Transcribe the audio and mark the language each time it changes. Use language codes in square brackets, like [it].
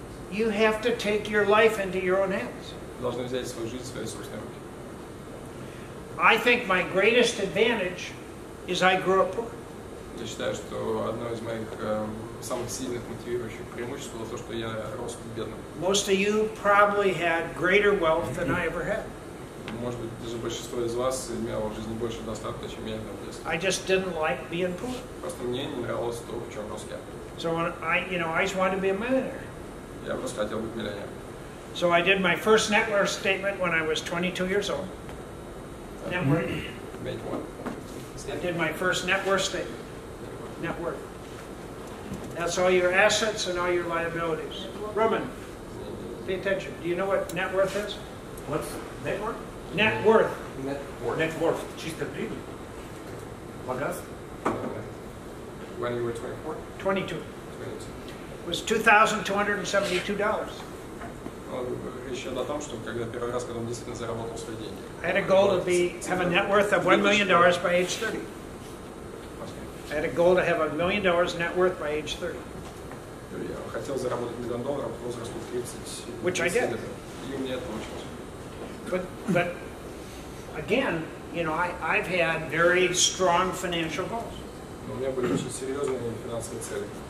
[en] You have to take your life into your own hands. [ru] Должны взять свою жизнь в свои собственные руки. [en] I think my greatest advantage is I grew up poor. [ru] Я считаю, что одно из моих самых сильных мотивирующих преимуществ было то, что я рос бедным. [en] Most of you probably had greater wealth than I ever had. [ru] Может быть, даже большинство из вас имело в жизни больше достатка, чем я имел в детстве. [en] I just didn't like being poor. [ru] Просто мне не нравилось то, в чем рос я. [en] So I just wanted to be a millionaire. [ru] Я просто хотел быть миллионером. [en] So I did my first net worth statement when I was 22 years old. Net worth. Made one. I did my first net worth statement. Network. That's all your assets and all your liabilities. Roman, pay attention. Do you know what net worth is? What's net worth? Net worth. Net worth. Net worth. [ru] Чистая прибыль. Богатство. [en] When you were 24? 22. It was $2,272. [ru] Еще до того, что когда первый раз, когда он действительно заработал свои деньги. [en] I had a goal to have a net worth of $1,000,000 by age 30. I had a goal to have $1,000,000 net worth by age 30. [ru] Я хотел заработать миллион долларов в возрасте 30. [en] Which I did. [ru] И мне это получилось. [en] But again, I've had very strong financial goals. [ru] У меня были очень серьезные финансовые цели.